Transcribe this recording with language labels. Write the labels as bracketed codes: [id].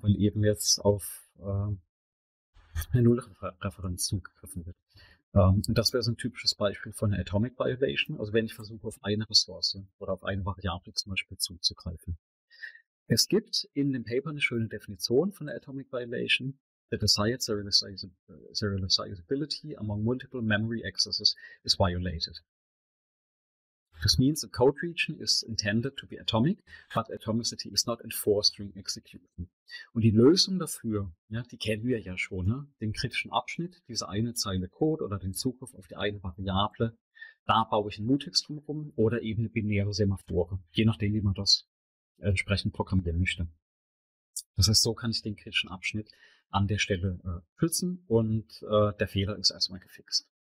[de] Weil eben jetzt auf eine Null-Referenz zugegriffen wird. Und das wäre so ein typisches Beispiel von einer Atomic Violation. Also wenn ich versuche, auf eine Ressource oder auf eine Variable zum Beispiel zuzugreifen. Es gibt in dem Paper eine schöne Definition von der Atomic Violation. [en] The desired serializability among multiple memory accesses is violated. This means the code region is intended to be atomic, but atomicity is not enforced during execution. [de] Und die Lösung dafür, ja, die kennen wir ja schon, ne? Den kritischen Abschnitt, diese eine Zeile Code oder den Zugriff auf die eine Variable, da baue ich einen Mutex drumherum oder eben eine binäre Semaphore, je nachdem, wie man das entsprechend programmieren möchte. Das heißt, so kann ich den kritischen Abschnitt an der Stelle schützen und der Fehler ist erstmal gefixt.